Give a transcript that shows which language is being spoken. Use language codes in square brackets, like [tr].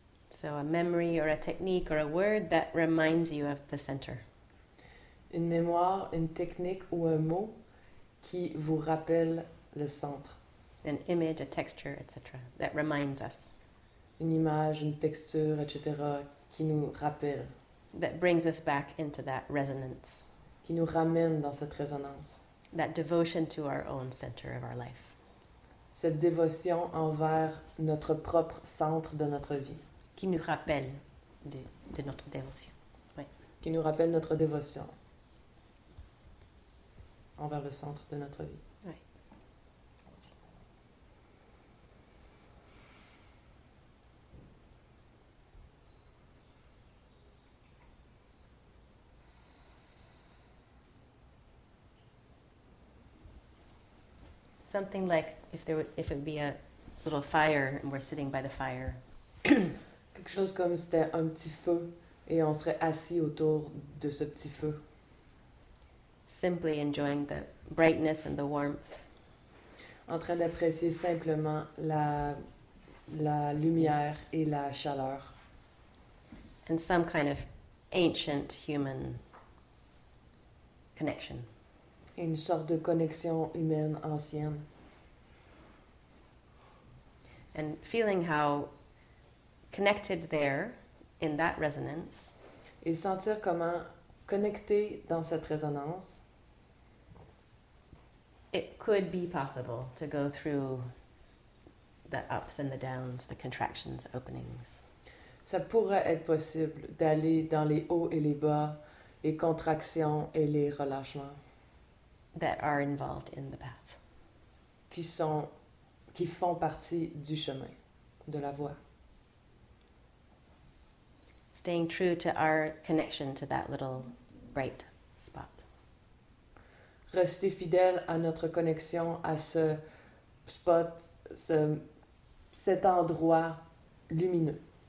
[en] So a memory or a technique or a word that reminds you of the center. [fr] Une mémoire, une technique ou un mot qui vous rappelle le centre. [en] An image, a texture, etc. that reminds us. [fr] Une image, une texture, etc. qui nous rappelle. [en] That brings us back into that resonance. [fr] Qui nous ramène dans cette résonance. [en] That devotion to our own center of our life. [fr] Cette dévotion envers notre propre centre de notre vie. Qui nous rappelle de notre dévotion. Ouais. Qui nous rappelle notre dévotion envers le centre de notre vie. Ouais. [en] Something like if it would be a little fire and we're sitting by the fire. [fr] Quelque chose comme si c'était un petit feu et on serait assis autour de ce petit feu. [en] Simply enjoying the brightness and the warmth. [fr] En train d'apprécier simplement la lumière et la chaleur. [en] And some kind of ancient human connection. [fr] Une sorte de connexion humaine ancienne. [en] and feeling how connected there in that resonance. [fr] Et sentir comment connecté dans cette résonance. [en] It could be possible to go through the ups and the downs, the contractions, openings. [fr] Ça pourrait être possible d'aller dans les hauts et les bas, les contractions et les relâchements. [en] That are involved in the path. [fr] Qui font partie du chemin, de la voie. [en] Staying true to our connection to that little bright spot. [fr] Rester fidèle à notre connexion à ce spot, cet endroit lumineux.